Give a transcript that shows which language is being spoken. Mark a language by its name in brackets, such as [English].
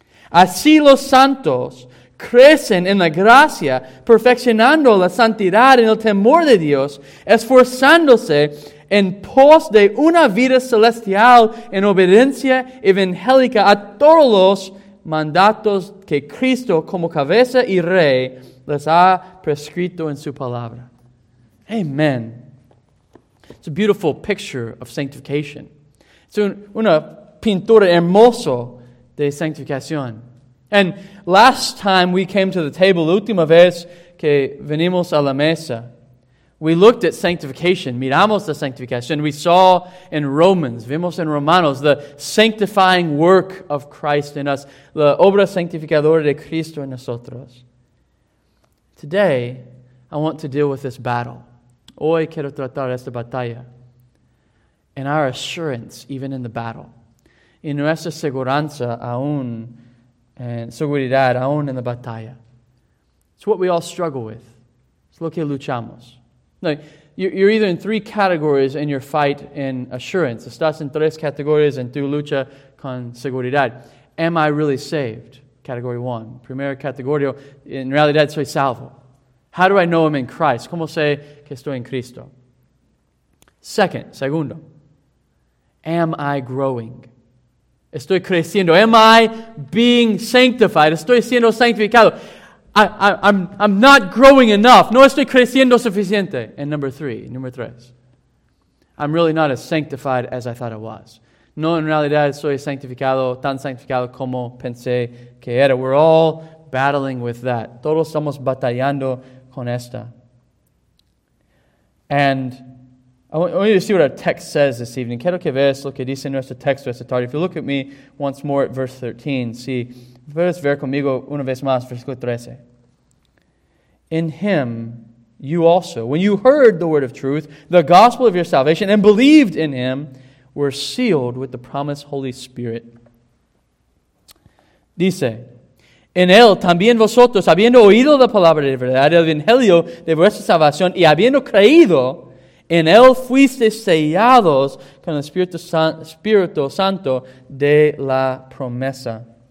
[Spanish] Así los santos crecen en la gracia, perfeccionando la santidad en el temor de Dios, esforzándose en pos de una vida celestial en obediencia evangélica a todos los mandatos que Cristo, como cabeza y rey, les ha prescrito en su palabra. [English] Amen. It's a beautiful picture of sanctification. [Spanish] Es una pintura hermosa de sanctificación. [English] And last time we came to the table, [Spanish] la última vez que venimos a la mesa, [English] we looked at sanctification, [Spanish] miramos la sanctificación. [English] We saw in Romans, [Spanish] vimos en Romanos, [English] the sanctifying work of Christ in us, [Spanish] la obra sanctificadora de Cristo en nosotros. [English] Today, I want to deal with this battle. [Spanish] Hoy quiero tratar esta batalla. [English] And our assurance, even in the battle. [Spanish] Y nuestra seguranza aún, seguridad aún en la batalla. [English] It's what we all struggle with. [Spanish] Es lo que luchamos. [English] Now, you're either in three categories in your fight in assurance. [Spanish] Estás en tres categorías en tu lucha con seguridad. [English] Am I really saved? Category one. [Spanish] Primera categoría, en realidad soy salvo. [English] How do I know I'm in Christ? [Spanish] ¿Cómo sé que estoy en Cristo? Segundo. [English] Am I growing? [Spanish] Estoy creciendo. [English] Am I being sanctified? [Spanish] Estoy siendo sanctificado. [English] I'm not growing enough. [Spanish] No estoy creciendo suficiente. [English] And number three. I'm really not as sanctified as I thought I was. [Spanish] No, en realidad soy sanctificado, tan sanctificado como pensé que era. [English] We're all battling with that. [Spanish] Todos estamos batallando con esta. [English] And I want you to see what our text says this evening. [Spanish] Quiero que veas lo que dice nuestro texto esta tarde. [English] If you look at me once more at verse 13, see, [Spanish] puedes ver conmigo una vez más, versículo 13. [English] In him, you also, when you heard the word of truth, the gospel of your salvation, and believed in him, were sealed with the promised Holy Spirit. [Spanish] Dice, en él también vosotros, habiendo oído la palabra de verdad, el evangelio de vuestra salvación, y habiendo creído, en él fuisteis sellados con el Espíritu Santo de la promesa.